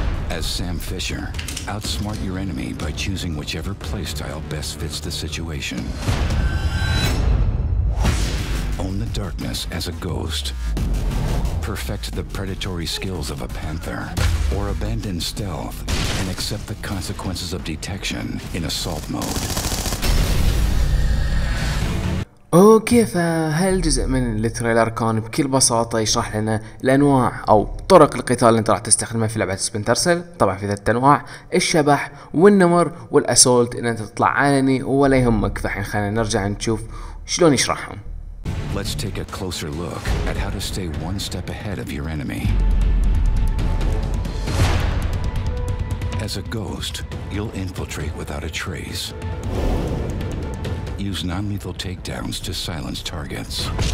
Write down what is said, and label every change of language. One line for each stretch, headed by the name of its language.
English: As Sam Fisher, outsmart your enemy by choosing whichever playstyle best fits the situation. Own the darkness as a ghost. Perfect the predatory skills of a panther. Or abandon stealth and accept the consequences of detection in assault mode.
Arabic: اوكي، فهالجزء من التريلر كان بكل بساطة يشرح لنا الانواع او طرق القتال اللي انت راح تستخدمها في لعبة سبلنتر سيل. طبعا في ثلاث انواع: الشبح والنمر والاسولت، ان انت تطلع علني ولا يهمك. فحين خلينا نرجع نشوف شلون يشرحهم.
English: Let's take a closer look at how to stay one step ahead of your enemy. As a ghost, you'll infiltrate without a trace. Use non-lethal takedowns to silence targets.